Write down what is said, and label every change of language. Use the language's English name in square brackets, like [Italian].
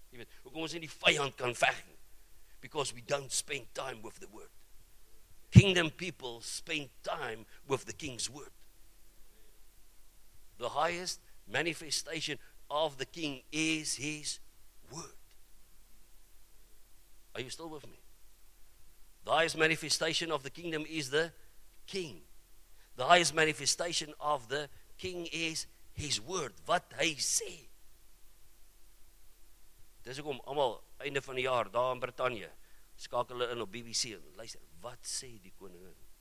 [Afrikaans] Jy weet, hoekom ons nie die vyand kan veg nie. [English] Because we don't spend time with the word. Kingdom people spend time with the king's word. The highest manifestation of the king is his word. Are you still with me? The highest manifestation of the kingdom is the king. The highest manifestation of the king is his word. [Afrikaans] Wat hy sê. Dis ek om almal einde van die jaar daar in Brittanje skakel hulle in op BBC en luister, wat sê die koningin?